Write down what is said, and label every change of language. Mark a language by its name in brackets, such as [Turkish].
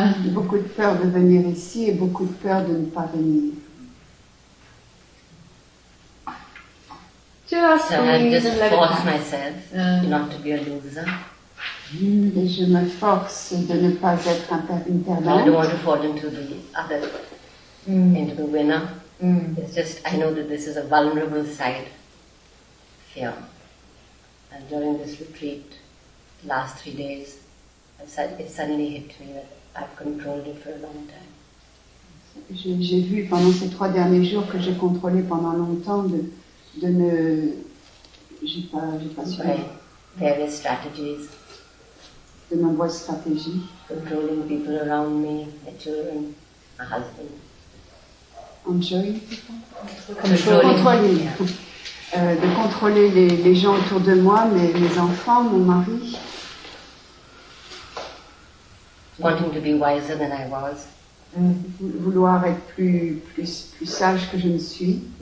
[French] Beaucoup de peur de venir ici et beaucoup de peur de ne pas venir. [English] Just so I just force myself not to be a loser. [French] Et je me force de ne pas être un perdant. [English] I don't want to fall into the other, into the winner. It's just, I know that this is a vulnerable side, fear. And during this retreat, the last 3 days, it suddenly hit me that I've controlled it for a long time. [French] J'ai vu pendant ces 3 derniers jours que j'ai contrôlé pendant longtemps de ne... J'ai pas su... [English] Various strategies. [French] De nombreuses stratégies. [English] Controlling people around me, my children, my husband. [French] De contrôler les gens autour de moi, mes enfants, mon mari. [English] Wanting to be wiser than I was. [French] Vouloir être plus sage que je ne suis.